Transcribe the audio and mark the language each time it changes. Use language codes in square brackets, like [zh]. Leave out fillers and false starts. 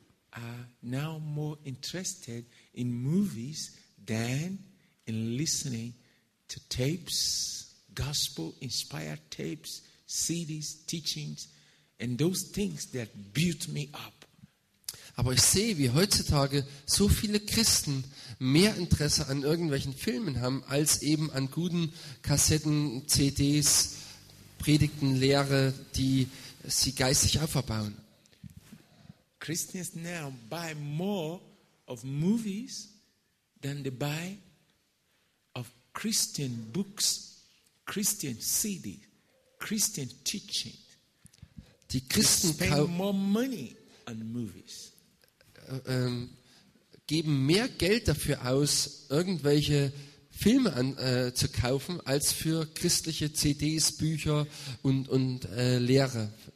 [en] are now more interested in movies than in listening to tapes, gospel-inspired tapes, CDs, teachings, and those things that built me up. [de] Aber ich sehe, wie heutzutage so viele Christen mehr Interesse an irgendwelchen Filmen haben, als eben an guten Kassetten, CDs, Predigten, Lehre, die sie geistig aufbauen. [en] Christians now buy more of movies than they buy of Christian books, Christian CDs. Christian teaching. [de] Die Christen geben mehr Geld dafür aus, irgendwelche Filme zu kaufen, als für christliche CDs, Bücher und Lehre.